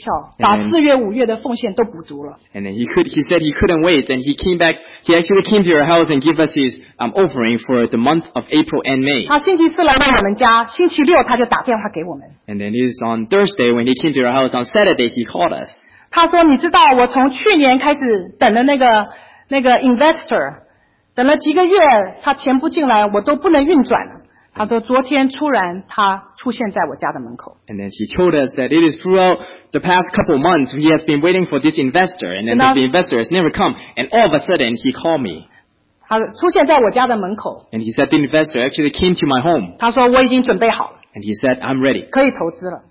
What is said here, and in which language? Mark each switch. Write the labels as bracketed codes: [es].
[zh] 他在那一个周四就到我们家来拿了一张支票，把四月、五月的奉献都补足了。 [en] And then he said he couldn't wait, and he came back. He actually came to your house and gave us his offering for the month of April and May. [zh] 他星期四来到我们家，星期六他就打电话给我们。 [en] And then it is on Thursday when he came to your house. On Saturday he called us. [zh] 他说：“你知道，我从去年开始等的那个 investor， 等了几个月，他钱不进来，我都不能运转了。” 他说昨天突然他出现在我家的门口。 [en] And then he told us that it is throughout the past couple of months we have been waiting for this investor, and then the investor has never come, and all of a sudden he called me. [zh] 他出现在我家的门口。 [en] And he said the investor actually came to my home. [zh] 他说我已经准备好了。 [en] And he said I'm ready. [zh] 可以投资了。